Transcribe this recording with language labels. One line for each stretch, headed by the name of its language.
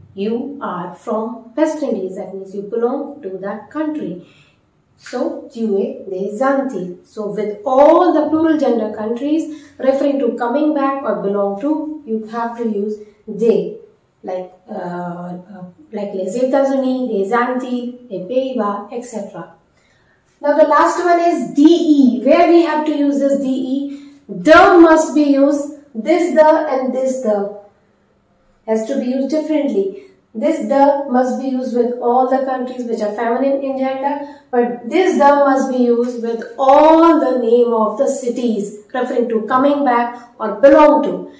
English: You are from West Indies, that means you belong to that country. So,
French: tu es des Antilles.
English: So, with all the plural gender countries referring to coming back or belong to, you have to use des. Like les États-Unis, les Antilles, les Pays-Bas, etc. Now, the last one is DE. Where we have to use this DE? The must be used, this the and this the has to be used differently. This the must be used with all the countries which are feminine in gender, but this the must be used with all the name of the cities referring to coming back or belong to.